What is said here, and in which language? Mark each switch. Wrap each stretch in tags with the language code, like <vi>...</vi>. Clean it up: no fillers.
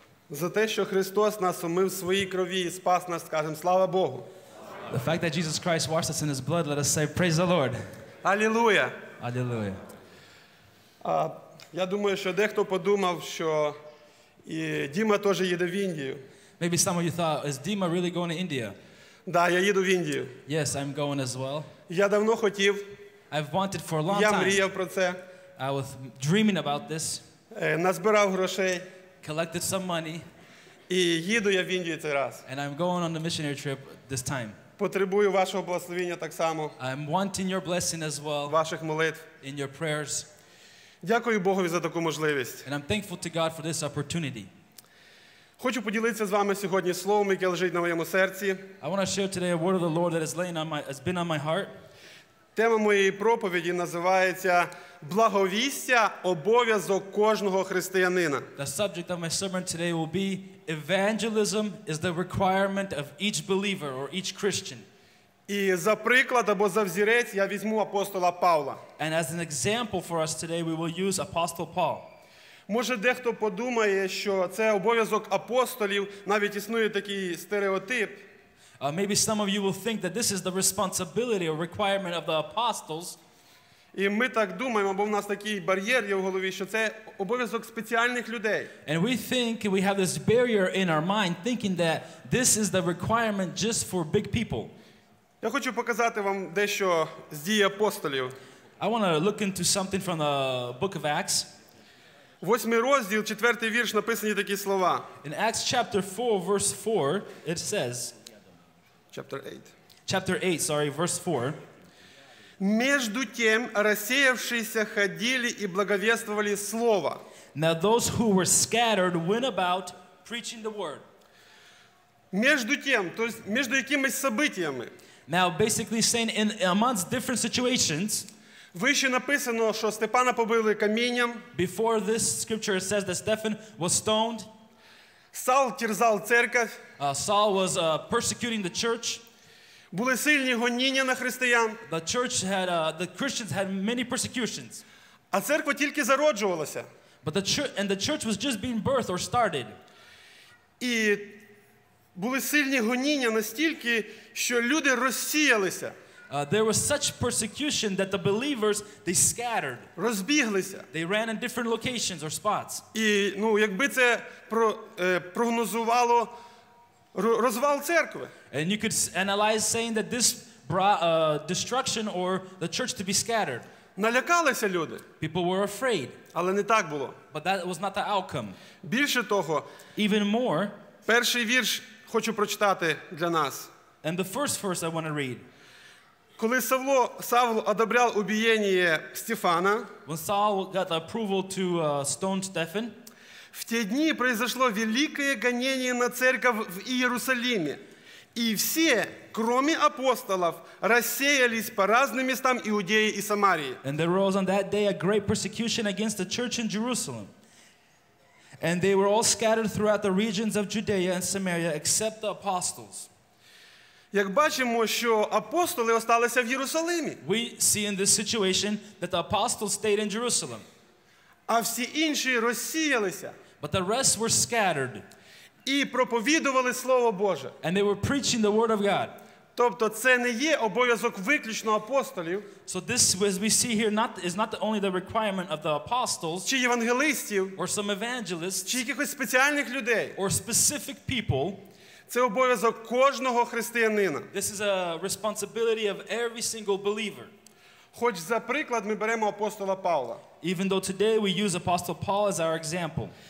<uk>За те, що Христос нас умив в своїй крові і спас нас, скажемо слава Богу.</uk> <en>The fact that Jesus Christ washed us in his blood, let us say praise the Lord.</en> <uk>Алілуя. Алілуя. Я думаю, що дехто подумав, що і Діма теж їде в Індію.</uk> <en>Maybe some of you thought, is Dima really going to India?</en> <uk>Да, я їду в Індію.</uk> <en>Yes, I'm going as well.</en> <uk>Я давно хотів.</uk> <en>I've wanted for a long</en> <uk>я</uk> <en>time.</en> <uk>Я мріяв про це.</uk> <en>I was dreaming about this.</en> <uk>Назбирав грошей.</uk> <en>Collected some money.</en> <uk>І їду я в Індію цей раз.</uk> <en>And I'm going on the missionary trip this time.</en> <uk>Потребую вашого благословення так само.</uk> <en>I'm wanting your blessing as well.</en> <uk>Ваших молитв.</uk> <en>In your prayers.</en> <uk>Дякую Богу за таку можливість.</uk> <en>And I'm thankful to God for this opportunity.</en> <uk>Хочу поділитися з вами сьогодні словом, яке лежить на моєму серці.</uk> <en>I want to share today a word of the Lord that has been on my heart.</en> <uk>Тема моєї проповіді називається «Благовістя – обов'язок кожного християнина».</uk> <en>The subject of my sermon today will be «Evangelism is the requirement of each believer or each Christian».</en> <uk>І за приклад або за взірець я візьму апостола Павла.</uk> <en>And as an example for us today, we will use Apostle Paul.</en> <uk>Може, дехто подумає, що це обов'язок апостолів, навіть існує такий стереотип.</uk> <en>Maybe some of you will think that this is the responsibility or requirement of the apostles.</en> <uk>І ми так думаємо, бо в нас такий бар'єр є в голові, що це обов'язок спеціальних людей.</uk> <en>And we think we have this barrier in our mind thinking that this is the requirement just for big people.</en> <uk>Я хочу показати вам дещо з дій апостолів.</uk> <en>I want to look into something from the book of Acts.</en> <uk>Восьмий розділ, четвертий вірш, написані такі слова.</uk> <en>In Acts chapter 4 verse 4 it says Chapter 8, verse 4.</en> <ru>Между тем, рассеявшиеся ходили и благовествовали слово.</ru> <en>Now those who were scattered went about preaching the word.</en> <ru>Между тем, то есть между якимись событиями.</ru> <en>Now basically saying in amongst different situations.</en> <uk>Вище написано, що Степана побили камінням.</uk> <en>Before this scripture it says that Stephen was stoned.</en> <uk>Саул терзав церковь.</uk> <en>Saul was persecuting the church.</en> <uk>Були сильні гоніння на християн.</uk> <en>The church had the Christians had many persecutions.</en> <uk>А церква тільки зароджувалася.</uk> <en>But the church was just being birthed or started.</en> <uk>І були сильні гоніння настільки, що люди розсіялися.</uk> <en>There was such persecution that the believers they scattered.</en> <uk>Розбіглися.</uk> <en>They ran in different locations or spots.</en> <uk>І, ну, якби це прогнозувало розвал церкви.</uk> <en>And you could analyze saying that this brought destruction or the church to be scattered.</en> <uk>Налякалися люди.</uk> <en>People were afraid.</en> <uk>Але не так було.</uk> <en>But that was not the outcome.</en> <uk>Більше того,</uk> <en>even more,</en> <uk>перший вірш хочу прочитати для нас.</uk> <en>And the first verse I want to read.</en> <uk>Коли Савл одобряв убієння Стефана,</uk> <en>when Saul got approval to stone Stephen,</en> <uk>в ті дні</uk> <ru>произошло</ru> <uk>велике гонення на церковь в Ієрусалимі. І всі, крім апостолів, розсіялись по різним містам Іудеї і Самарії.</uk> <en>And there arose on that day a great persecution against the church in Jerusalem. And they were all scattered throughout the regions of Judea and Samaria, except the apostles.</en> <uk>Як бачимо, що апостоли осталися в Єрусалимі.</uk> <en>We see in this situation that the apostles stayed in Jerusalem.</en> <uk>А всі інші розсіялися.</uk> <en>But the rest were scattered.</en> <uk>І проповідували Слово Боже.</uk> <en>And they were preaching the word of God.</en> <uk>Тобто це не є обов'язок виключно апостолів.</uk> <en>So this, as we see here, is not only the requirement of the apostles.</en> <uk>Чи євангелистів.</uk> <en>Or some evangelists.</en> <uk>Чи якихось спеціальних людей.</uk> <en>Or specific people.</en> <uk>Це обов'язок кожного християнина.</uk> <en>This is a responsibility of every single believer.</en> <uk>Хоч за приклад ми беремо апостола Павла.</uk> <en>Even though today we use Apostle Paul as our example.</en>